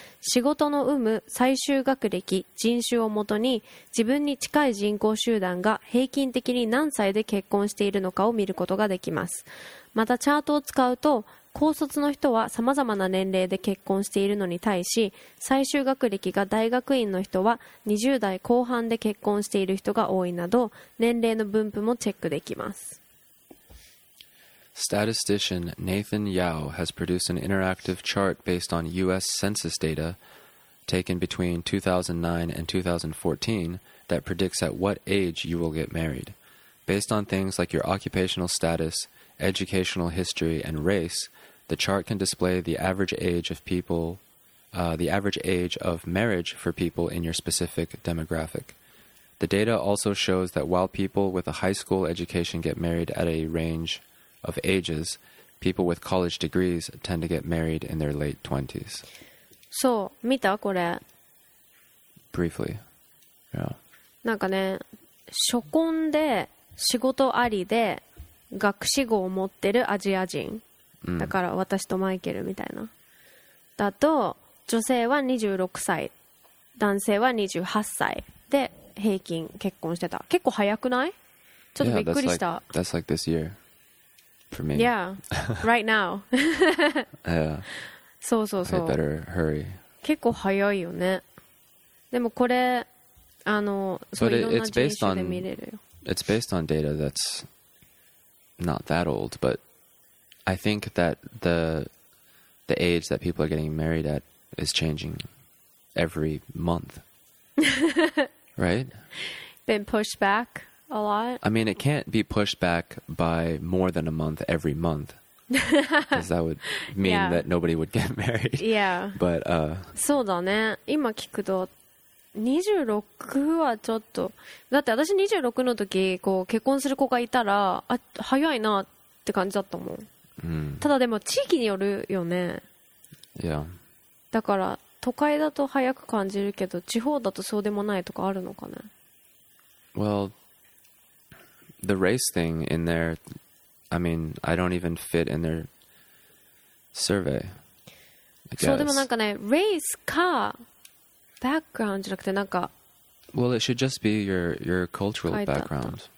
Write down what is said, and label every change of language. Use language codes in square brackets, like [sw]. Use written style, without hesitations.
[ja] 仕事の有無、最終学歴、人種をもとに自分に近い人口集団が平均的に何歳で結婚しているのかを見ることができます。またチャートを使うと、高卒の人は様々な年齢で結婚しているのに対し、最終学歴が大学院の人は20代後半で結婚している人が多いなど、年齢の分布もチェックできます。 [en] Statistician Nathan Yao has produced an interactive chart based on US census data taken between 2009 and 2014 that predicts at what age you will get married. Based on things like your occupational status,educational history and race, the chart can display the average age of people, the average age of marriage for people in your specific demographic. The data also shows that while people with a high school education get married at a range of ages, people with college degrees tend to get married in their late 20s. [ja] そう、見たこれ? [en] Briefly. Yeah. [ja] なんかね、初婚で仕事ありで学士号を持ってるアジア人だから私とマイケルみたいな、だと女性は26歳、男性は28歳で平均結婚してた。結構早くない？ちょっとびっくりした。 [en] Yeah, that's like this year for me. Yeah, right now. Yeah. [ja] そうそうそう。 [en] I better hurry. [ja] 結構早いよね。でもこれ、あの、そういろんな人種で見れるよ。 [en] It's based on data that's not that old, but I think that the age that people are getting married at is changing every month. Right? Been pushed back a lot? I mean, it can't be pushed back by more than a month every month. Because that would mean yeah. that nobody would get married. Yeah. But, [ja] そうだね。今聞くと26はちょっと、だって私26の時こう結婚する子がいたら、あ、早いなって感じだったもん、 mm. ただでも地域によるよね。いや、だから都会だと早く感じるけど地方だとそうでもないとかあるのかね。 [en] Well, the race thing in there, I mean, I don't even fit in their survey. [ja] そう、でもなんかね、race かbackground じゃなくてなんか、 [en] well, it should just be your cultural background.